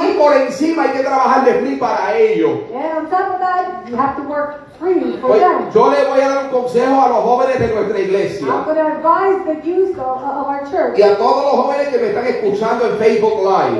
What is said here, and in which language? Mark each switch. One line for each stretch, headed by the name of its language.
Spanish: Y por encima hay que trabajar de free para ello.
English: And on top of that, you have to work free for them.
Spanish: Yo le voy a dar un consejo a los jóvenes de nuestra iglesia.
English: I'm going to advise the youth of our church.
Spanish: Y a todos los jóvenes que me están escuchando en Facebook Live.